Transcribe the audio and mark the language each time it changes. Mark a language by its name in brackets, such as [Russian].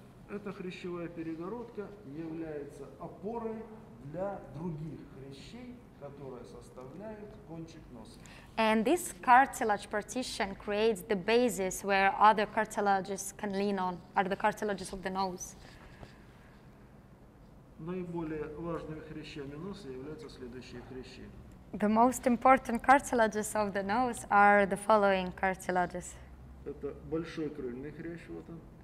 [Russian] Эта хрящевая перегородка является опорой для других хрящей, которые составляют кончик носа. [English] And this cartilage partition creates the basis where other cartilages can lean on, are the cartilages of the nose. [Russian] Наиболее важными хрящами носа являются следующие хрящи. [English] The most important cartilages of the nose are the following cartilages. [Russian] Это большой крыльный хрящ, вот он.